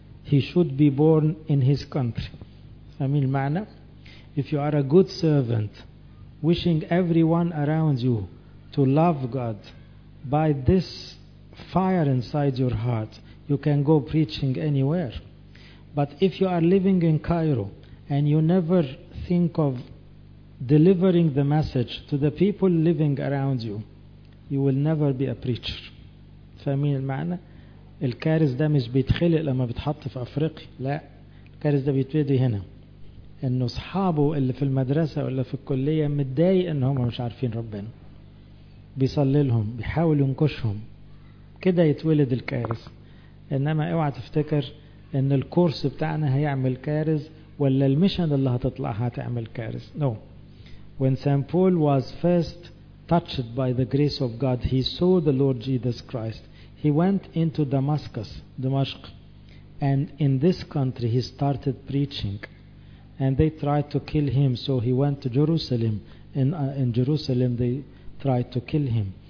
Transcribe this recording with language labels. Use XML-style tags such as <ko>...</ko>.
<en>He should be born in his country.</en> <ar>فاهمين المعنى؟</ar> <en>If you are a good servant, wishing everyone around you to love God by this fire inside your heart, you can go preaching anywhere. But if you are living in Cairo and you never think of delivering the message to the people living around you, you will never be a preacher.</en> <ar>فاهمين المعنى؟ الكارز ده مش بيتخلق لما بيتحط في أفريقيا، لا، الكارز ده بيتولد هنا. إنه أصحابه اللي في المدرسة ولا في الكلية متضايق إن هم مش عارفين ربنا، بيصلي لهم، بيحاول ينكشهم، كده يتولد الكارز. إنما أوعى تفتكر ان الكورس بتاعنا هيعمل كارز ولا الميشن اللي هتطلع هتعمل كارز.</ar> <en>No. When St. Paul was first touched by the grace of God, he saw the Lord Jesus Christ. He went into Damascus, Damascus, and in this country he started preaching. And they tried to kill him, so he went to Jerusalem. In Jerusalem they tried to kill him.</en>